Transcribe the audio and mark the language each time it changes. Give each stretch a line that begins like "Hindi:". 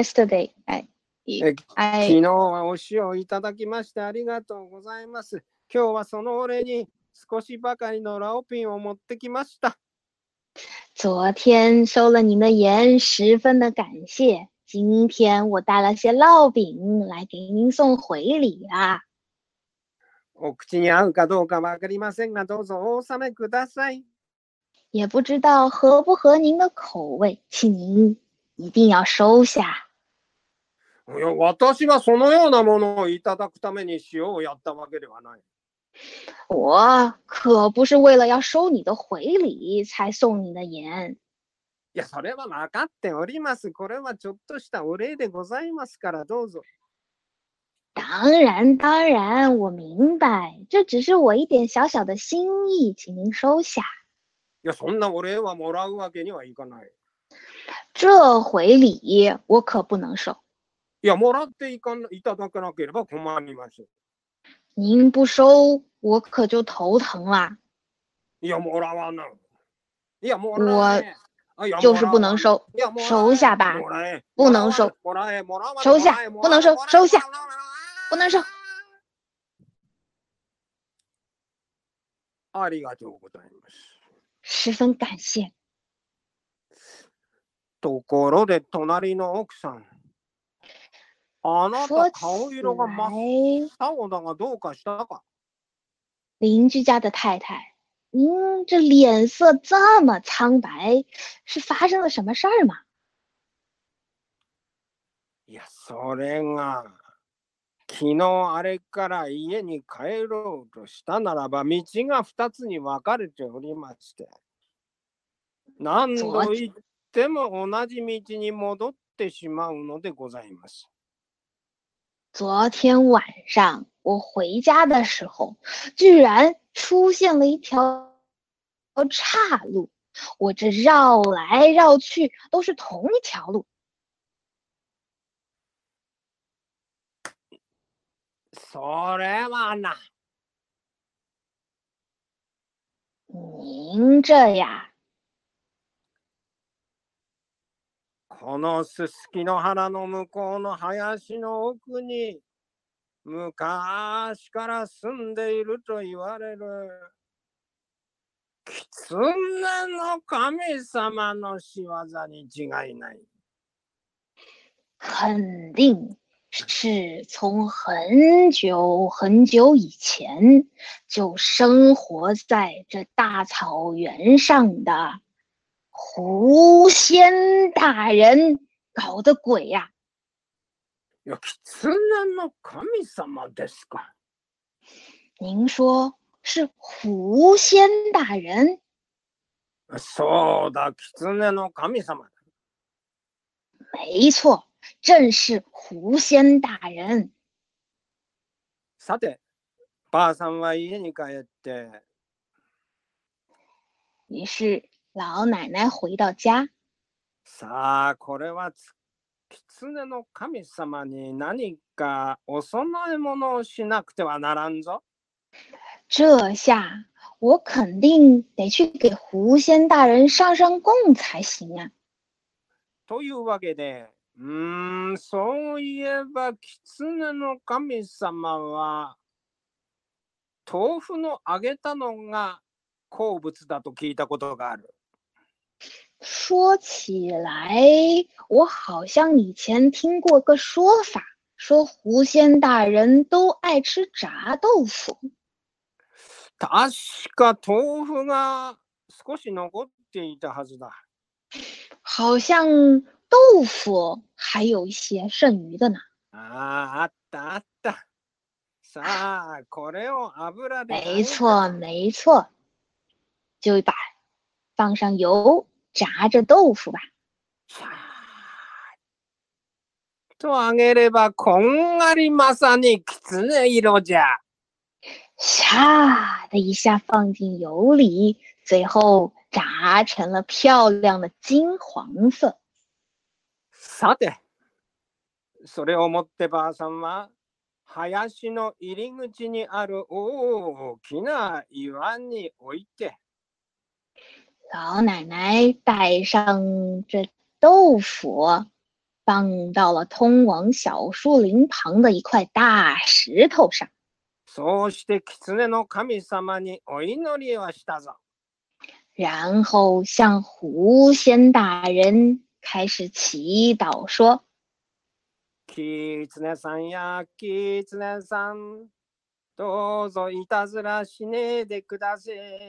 Japanese: 昨日はお塩いただきましてありがとうございます。今日はそのお礼に少しばかりのラオピンを持ってきました。
Chinese: 昨天收了您的盐，十分的感谢。今天我带了些烙饼来给您送回礼啦。
Japanese: お口に合うかどうかわかりませんが、どうぞお納めください。
Chinese: 也不知道合不合您的口味，请您一定要收下。
Japanese: いや、私はそのようなものをいただくために塩をやったわけではない。
Chinese: 我可不是为了要收你的回礼才送你的盐。
Japanese: いや、それは分かっております。これはちょっとしたお礼でございますから、どうぞ。
Chinese: 当然，当然，我明白，这只是我一点小小的心意，请您收下。
Japanese: いや、そんなお礼はもらうわけにはいかない。
Chinese: 这回礼我可不能收。
Japanese: いや、もらっていかないただかなければ困ります。
Chinese: 您不收，我可就头疼啦。
Japanese: いや、もらわな。いや、もら
Chinese: え。我就是不能收。收下吧。不能收。
Japanese: もらえ、もら
Chinese: わ。收下，不能收，收下，不能收。
Japanese: ありがとうございます。
Chinese: 十分感谢。
Japanese: ところで隣の奥さん、あなた顔色が真っ青だがどうかしたか。
Chinese: 邻居家的太太，您这脸色这么苍白，是发生了什么事儿吗？
Japanese: いや、それが昨日あれから家に帰ろうとしたならば道が二つに分かれておりまして。何度行っても同じ道に戻ってしまうのでございます。
Chinese: 昨天晚上我回家的时候，居然出现了一条岔路，我这绕来绕去都是同一条路。
Japanese: それはな。
Chinese: 您这呀。
Japanese: このすすきの花の向こうの林の奥に昔から住んでいると言われる狐の神様の仕業に違いない。
Chinese: 肯定是从很久很久以前就生活在这大草原上的狐仙大人搞的鬼呀、
Japanese: 啊！狐仙の神様ですか？
Chinese: 您说是狐仙大人？
Japanese: そうだ、狐仙の神様。
Chinese: 没错，正是狐仙大人。
Japanese: さて、ばあさんは家に帰って。
Chinese: 于是。老奶奶回到家。
Japanese: さあ、これは狐の神様に何かお供え物をしなくてはならんぞ。
Chinese: 这下我肯定得去给狐仙大人上上供才行啊。
Japanese: というわけで、そういえば狐の神様は豆腐の揚げたのが好物だと聞いたことがある。
Chinese: 说起来，我好像以前听过个说法，说狐仙大人都爱吃炸豆腐。
Japanese: 確か豆腐が少し残っていたはずだ。
Chinese: 好像豆腐还有一些剩余的呢。
Japanese: あ、あったあった。さあ、これを油で。
Chinese: 没错，没错，就把放上油。炸着豆腐吧。
Japanese: と揚げればこんがりまさにきつね色じゃ。
Chinese: 唰的一下放进油里，最后炸成了漂亮的金黄色。
Japanese: さて、それをもってばあさんは林の入り口にある大きな岩に置いて。
Chinese: 老奶奶带上这豆腐，放到了通往小树林旁的一块大石头上。
Japanese: そうして狐の神様にお祈りをしたぞ。
Chinese: 然后向狐仙大人开始祈祷说：“
Japanese: 狐さんや、狐さん、どうぞいたずらしねえでください。”